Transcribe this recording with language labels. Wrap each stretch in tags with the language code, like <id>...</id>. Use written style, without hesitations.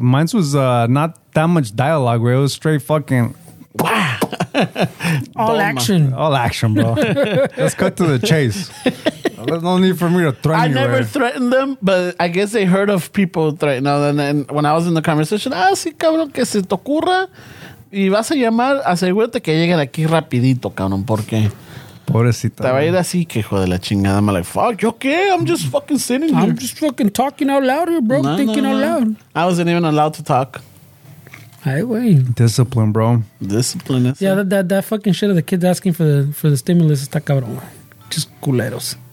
<en>mine was not that much dialogue, wey. It was straight fucking... All Boma. Action. All action, bro. Let's cut to the chase. There's no need for me to threaten you. I never threatened them, but I guess they heard of people threatening. And then when I was in the conversation,</en> <es>sí, cabrón, que se te ocurra. Y vas a llamar, asegúrate que lleguen aquí rapidito, cabrón, porque... Pobrecita. Te va a ir así, que hijo de la chingada.</es> <en>I'm like, fuck,</en> <es>yo qué?</es> <en>I'm just fucking sitting here. I'm just fucking talking out loud here, bro. No, thinking out loud. I wasn't even allowed to talk. I wait. Discipline, bro. Discipline. Is yeah, that fucking shit of the kids asking for the stimulus</en> <es>está cabrón.</es> <en>Just culeros.</en>